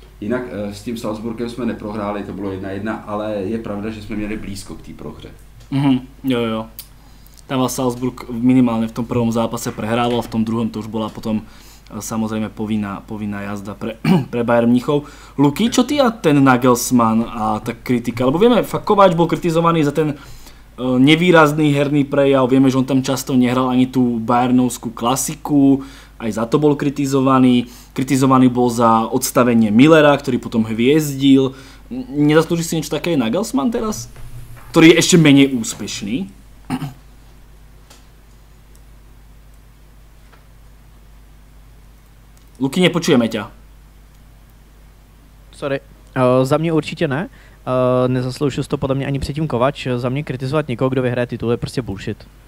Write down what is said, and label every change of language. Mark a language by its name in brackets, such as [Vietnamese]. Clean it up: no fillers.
[Czech] Jinak s tím Salzburgem jsme neprohráli, to bylo 1-1, ale je pravda, že jsme měli blízko k té prohře. Mhm, jo. [Slovak] Tam vás Salzburg minimálně v tom prvom zápase prehrával, [Czech] v tom druhém [Slovak] to už byla potom samozrejme povinná jazda pre Bayern Mníchov. Luky, čo ty a ten Nagelsmann a tá kritika? Lebo vieme, fakt Kovač bol kritizovaný za ten nevýrazný herný prejav, vieme, že on tam často nehral ani tú bayernovskú klasiku, aj za to bol kritizovaný. Kritizovaný bol za odstavenie Millera, ktorý potom hviezdil. Nezaslúži si niečo také Nagelsmann teraz? [Czech] který je ještě méně úspěšný. [Slovak] Lukyně, počujeme tě. [Czech] Sorry, za mě určitě ne. Nezasloužil to podle mě ani předtím Kovač. Za mě kritizovat někoho, kdo vyhraje titul, je prostě bullshit.